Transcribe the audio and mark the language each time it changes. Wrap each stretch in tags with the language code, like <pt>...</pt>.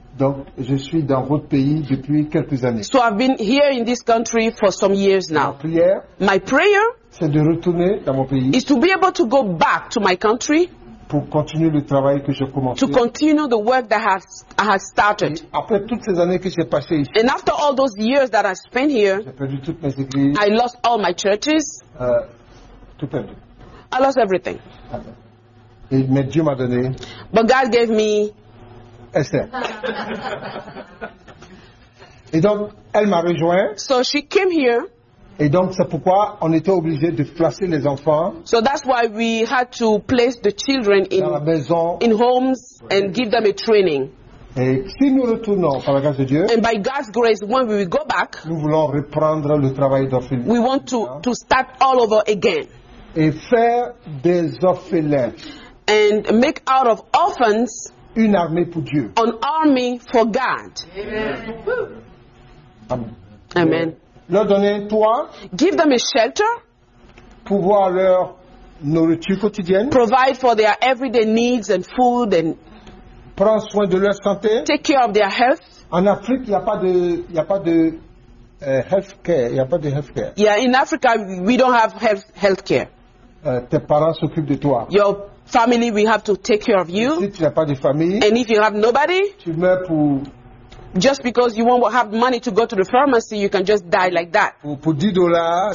<fr>Donc je suis dans votre pays depuis quelques années.</fr> <en>So I've been here in this country for some years now. My prayer,</en> <fr>c'est de retourner dans mon pays.</fr> <en>Is to be able to go back to my country.</en> <fr>Pour continuer le travail que j'ai commencé.</fr> <en>To continue the work that I have started.</en> <fr>Et après toutes ces années que j'ai passé ici.</fr> <en>And after all those years that I spent here.</en> <fr>J'ai perdu toutes mes églises.</fr> <en>I lost all my churches.</en> <fr>Tout perdu.</fr> <en>I lost everything.</en> <fr>Mais Dieu m'a donné.</fr> <en>But God gave me Esther.</en> <fr>Et donc elle m'a rejoint.</fr> <en>So she came here.</en> <fr>Et donc c'est pourquoi on était obligé de placer les enfants.</fr> <en>So that's why we had to place the children in</en> <fr>dans la maison,</fr> <en>in homes and give them a training.</en> <fr>Et si nous retournons par la grâce de Dieu,</fr> <en>and by God's grace, when we will go back,</en> <fr>nous voulons reprendre le travail d'orphelin.</fr> <en>We want to start all over again.</en> <fr>Et faire des orphelins.</fr> <en>And make out of orphans</en> <fr>une armée pour Dieu.</fr> <en>An army for God. Amen.</en> <fr>Leur donner un toit.</fr> <en>Give them a shelter.</en> <fr>Pouvoir leur nourriture quotidienne.</fr> <en>Provide for their everyday needs and food and</en> <fr>prends soin de leur santé.</fr> <en>Take care of their health.</en> <fr>En Afrique, il y a pas de health care. Il y a pas de health care.</fr> <en>Yeah, in Africa, we don't have health care.</en> <fr>Tes parents s'occupent de toi.</fr> <en>Your family, we have to take care of you.</en> <fr>Si tu n'as pas de famille,</fr> <en>and if you have nobody,</en> <fr>tu meurs pour</fr> <en>just because you won't have money to go to the pharmacy, you can just die like that.</en> <fr>Pour $10,</fr>